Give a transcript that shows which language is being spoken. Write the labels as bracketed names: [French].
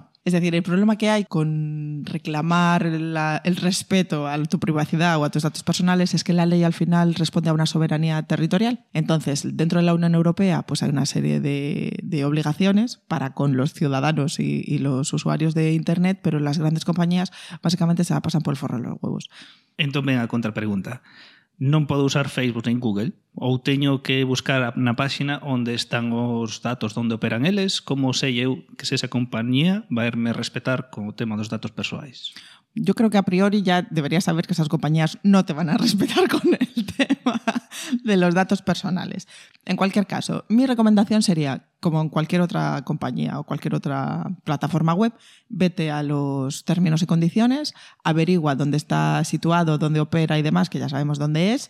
[Spanish] Es decir, el problema que hay con reclamar el respeto a tu privacidad o a tus datos personales es que la ley al final responde a una soberanía territorial. Entonces, dentro de la Unión Europea, pues hay una serie de obligaciones para con los ciudadanos y los usuarios de Internet, pero las grandes compañías básicamente se la pasan por el forro de los huevos. Entonces, venga, contrapregunta. [Galician] Non podo usar Facebook nin Google, ou teño que buscar na páxina onde están os datos, onde operan eles, como sei eu que se esa compañía vai me respetar con o tema dos datos persoais. [Spanish] Yo creo que a priori ya deberías saber que esas compañías no te van a respetar con el tema de los datos personales. En cualquier caso, mi recomendación sería como en cualquier otra compañía o cualquier otra plataforma web, vete a los términos y condiciones, averigua dónde está situado, dónde opera y demás, que ya sabemos dónde es.